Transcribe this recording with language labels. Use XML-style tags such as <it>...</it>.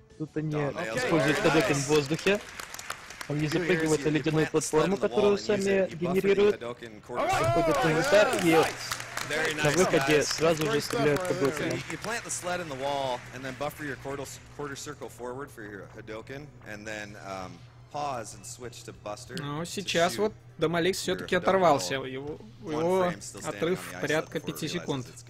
<ru>Тут они используют Hadouken в воздухе. Он не запрыгивает на ледяную платформу, которую сами генерируют. Выходит на удар, и на выходе сразу же стреляют Hadouken.</ru> <en>You plant the sled in the wall, and then buffer your quarter circle forward for your Hadouken, and then pause and switch to Buster.</en> <ru>Ну, сейчас вот Домалик все-таки оторвался. Его отрыв порядка 5 секунд.</ru>